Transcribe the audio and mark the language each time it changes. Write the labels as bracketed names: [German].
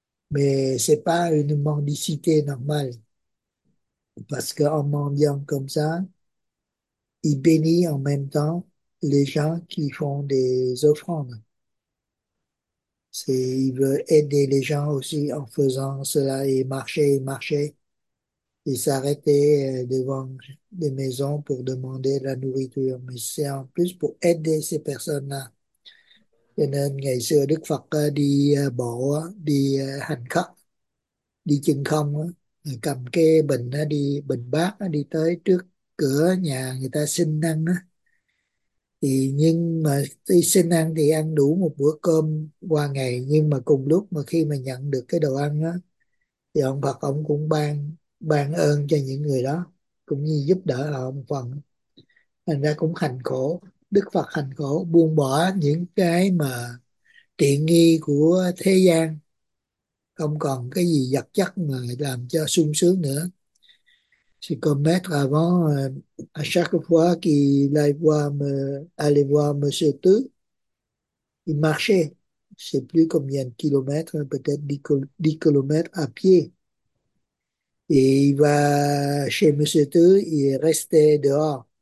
[French] Mais c'est pas une mendicité normale. Parce qu'en mendiant comme ça, il bénit en même temps les gens qui font des offrandes. Il veut aider les gens aussi en faisant cela et marcher et marcher. Il s'arrêtait devant des maisons pour demander la nourriture. Mais c'est en plus pour aider ces personnes-là. [Vietnamese] Cho nên ngày xưa Đức Phật đi bộ, đi hành khất, đi chân không, cầm cái bình đi, bình bát đi tới trước cửa nhà người ta xin ăn. Thì nhưng mà đi xin ăn thì ăn đủ một bữa cơm qua ngày, nhưng mà cùng lúc mà khi mà nhận được cái đồ ăn đó, thì ông Phật ông cũng ban ban ơn cho những người đó, cũng như giúp đỡ họ một phần, thành ra cũng hành khổ. Đức Phật hành khổ buông bỏ những cái mà tiện nghi của thế gian, không còn cái gì vật chất mà làm cho sung sướng nữa. [French] C'est comme être avant, à chaque fois qu'il allait voir Monsieur Tư, il marchait, je ne sais plus combien de kilomètres, peut-être 10 km à pied. Et il va chez Monsieur Tư, il restait dehors.